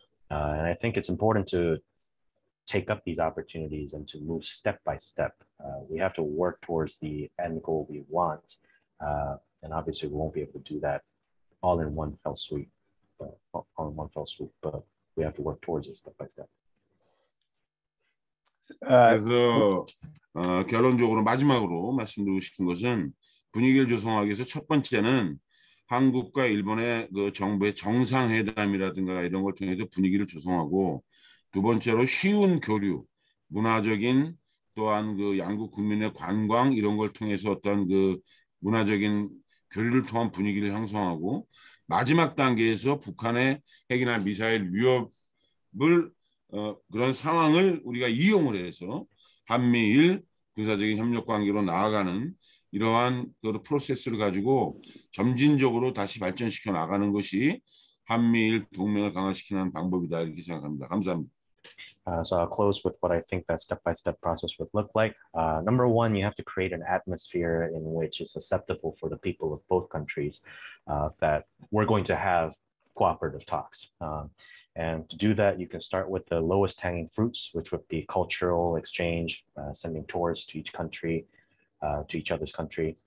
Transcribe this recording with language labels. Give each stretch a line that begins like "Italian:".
English: And I think it's important to take up these opportunities and to move step by step. We have to work towards the end goal we want. And obviously we won't be able to do that all in one fell swoop, but we have to work towards it step by step.
Korean: 그래서 결론적으로 마지막으로 말씀드리고 싶은 것은 분위기를 조성하기 위해서 첫 번째는 한국과 일본의 그 정부의 정상회담이라든가 이런 걸 통해서 분위기를 조성하고 두 번째로 쉬운 교류, 문화적인 또한 그 양국 국민의 관광 이런 걸 통해서 어떤 그 문화적인 교류를 통한 분위기를 형성하고 마지막 단계에서 북한의 핵이나 미사일 위협을 그런 상황을 우리가 이용을 해서 한미일 군사적인 협력 관계로 나아가는 이러한 그 프로세스를 가지고 점진적으로 다시 발전시켜 나가는 것이 한미일 동맹을 강화시키는 방법이다 이렇게 생각합니다. 감사합니다.
English: So I'll close with what I think that step-by-step process would look like. Number one, you have to create an atmosphere in which is susceptible for the people of both countries that we're going to have cooperative talks. And to do that, you can start with the lowest hanging fruits, which would be cultural exchange, sending tourists to each country, to each other's country.